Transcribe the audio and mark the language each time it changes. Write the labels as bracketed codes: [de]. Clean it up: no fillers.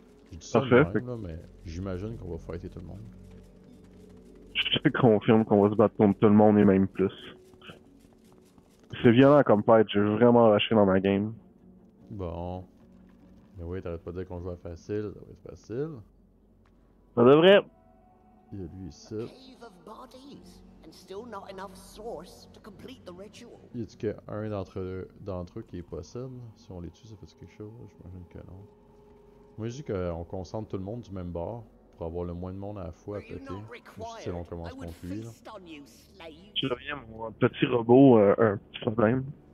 [fr] J'ai dit ça de même là, mais j'imagine qu'on va fighter tout le monde. Je te confirme qu'on va se battre contre tout le monde et même plus. C'est violent comme fight, j'ai vraiment lâché dans ma game. Bon. Mais oui, t'arrêtes pas de dire qu'on joue à facile, ça va être facile. Ça devrait. Il y a lui ici. [en] Cave of bodies, and still not enough source to complete the ritual. [fr] Y a-t-il qu'un d'entre eux qui est possible? Si on les tue, ça fait quelque chose. J'imagine que non. Moi, je dis qu'on concentre tout le monde du même bord pour avoir le moins de monde à la fois à péter. Si on commence contre lui. Je reviens, mon petit robot, un petit problème.